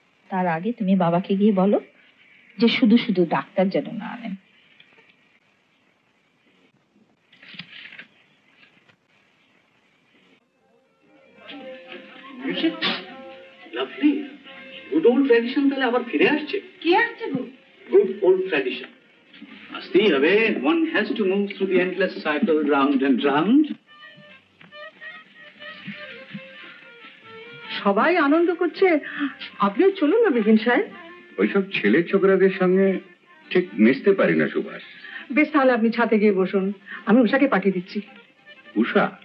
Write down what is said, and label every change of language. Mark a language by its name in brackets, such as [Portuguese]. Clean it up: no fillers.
[Bangla] তার আগে তুমি বাবাকে গিয়ে বলো যে শুধু শুধু ডাক্তার যেন না আনেন। লাভলি, [English] good old tradition [Bangla] তাহলে আবার ফিরে আসছে। কে আসছে গো? [English] old tradition. Asti abe, one has to move through the endless cycle round and round. [Bangla] সবাই আনন্দ করছে, আপনিও চলুন না বিপিন সাহেব। ওইসব ছেলে ছোকরাদের সঙ্গে ঠিক মিশতে পারি না সুভাষ। বেশ তাহলে আপনি ছাতে গিয়ে বসুন, আমি উষাকে পাঠিয়ে দিচ্ছি। উষা?